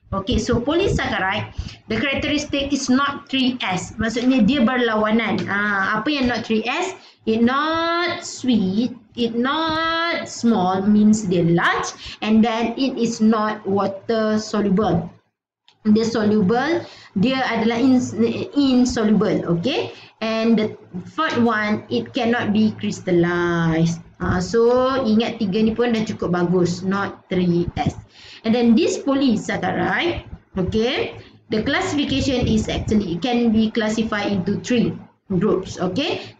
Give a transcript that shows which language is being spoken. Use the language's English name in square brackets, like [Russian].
[English] Okay, so polysaccharide, the characteristic is not 3S. [Malay] Maksudnya dia berlawanan. Apa yang not 3S? [English] It not sweet. It not small means dia large, and then it is not water soluble. [Malay] Dia soluble, dia adalah insoluble, okay? [English] And the third one, it cannot be crystallized. [Malay] So ingat tiga ni pun dah cukup bagus, not 3S. [English] And then this polysaccharide, okay? The classification is actually it can be classified into three groups, okay?